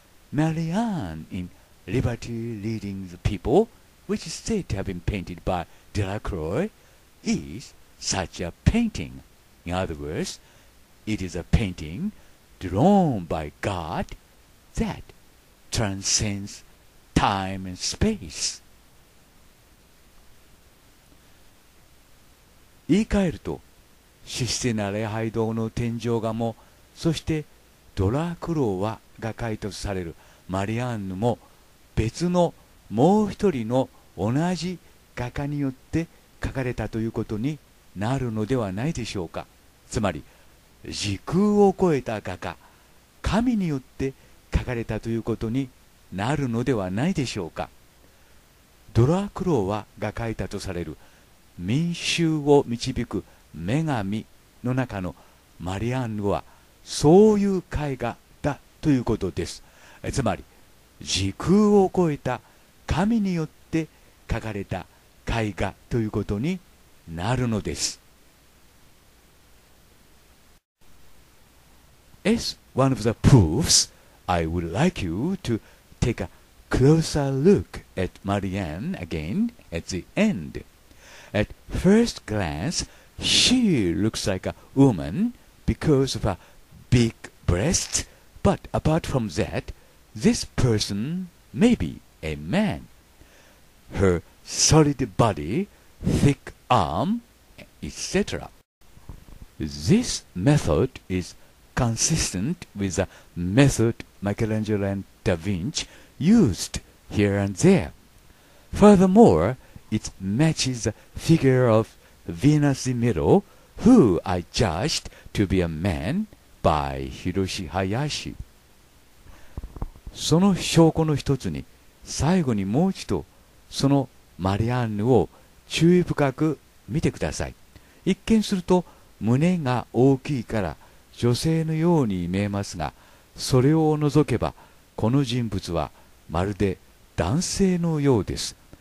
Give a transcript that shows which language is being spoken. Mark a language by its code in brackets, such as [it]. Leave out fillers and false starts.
[en] Marianne inLiberty Leading the People, which is said to have been painted by Delacroix, is such a painting. In other words, it is a painting drawn by God that transcends time and space. [ja] 言い換えるとシスティナ礼拝堂の天井画も、そしてドラクロワが解凍されるマリアンヌも別のもう一人の同じ画家によって描かれたということになるのではないでしょうか。つまり時空を超えた画家、神によって描かれたということになるのではないでしょうか。ドラクロワが描いたとされる民衆を導く女神の中のマリアンヌはそういう絵画だということです。つまり時空を超えた神によって描かれた絵画ということになるのです。 [en] As one of the proofs, I would like you to take a closer look at Marianne again at the end. At first glance, she looks like a woman because of her big breasts, but apart from that, this person may be a man. Her solid body, thick arm, etc. This method is consistent with the method Michelangelo and Da Vinci used here and there. Furthermore, it matches the figure of Venus in Milo, who I judged to be a man by Hiroshi Hayashi. [ja] その証拠の一つに、最後にもう一度そのマリアンヌを注意深く見てください。一見すると胸が大きいから女性のように見えますが、それを除けばこの人物はまるで男性のようです。